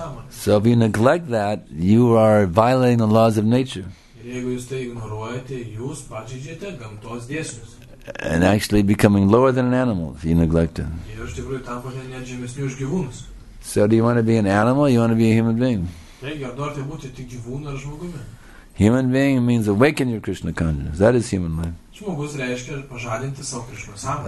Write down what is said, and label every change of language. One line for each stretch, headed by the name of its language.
English: So if you neglect that, you are violating the laws of nature.
Lithuanian: Jeigu jūs tai ignoruojate, jūs pažeidžiate gamtos dėsnius.
English: And actually becoming lower than an animal if you neglect it.
Lithuanian: Ir iš tikrųjų tampate net žemesniu už gyvūnus.
English: So do you want to be an animal or you want to be a human being?
Lithuanian: Taigi, ar norite būti tik gyvūnu ar žmogumi?
English: Human being means awaken your Krishna consciousness. That is human life.
Lithuanian: Žmogus reiškia pažadinti savo Krishna sąmonę.